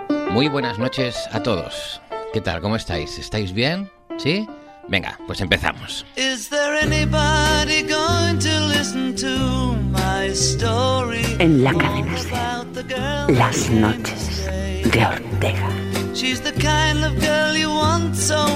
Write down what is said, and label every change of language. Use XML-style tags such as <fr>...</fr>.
<es>Muy buenas noches a todos. ¿Qué tal? ¿Cómo estáis? ¿Estáis bien? ¿Sí? Venga, pues empezamos.</es> <en>Is there anybody going to listen to my story?</en> <es>En la cadena Ser, las noches de Ortega.</es> <en>She's the kind of girl you want so</en>